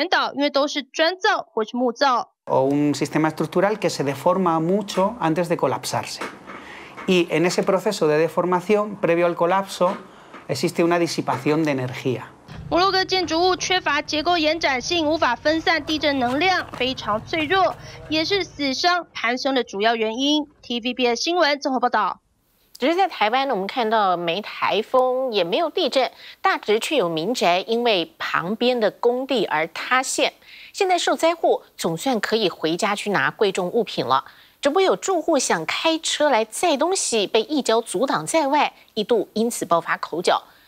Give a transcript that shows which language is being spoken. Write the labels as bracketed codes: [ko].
[zh] 房屋受损严重，都是结构性粉碎，主体梁柱扭曲破裂，空拍灾区几乎整座村庄全倒，因为都是砖造或是木造。 [es] Un sistema estructural que se deforma mucho antes de colapsarse. Y en ese proceso de deformación, previo al colapso, existe una disipación de energía. [zh] 摩洛哥建筑物缺乏结构延展性，无法分散地震能量，非常脆弱，也是死伤攀升的主要原因。TVBS 新闻综合报道。只是在台湾呢，我们看到没台风，也没有地震，大直却有民宅因为旁边的工地而塌陷，现在受灾户总算可以回家去拿贵重物品了。只不过有住户想开车来载东西，被一交阻挡在外，一度因此爆发口角。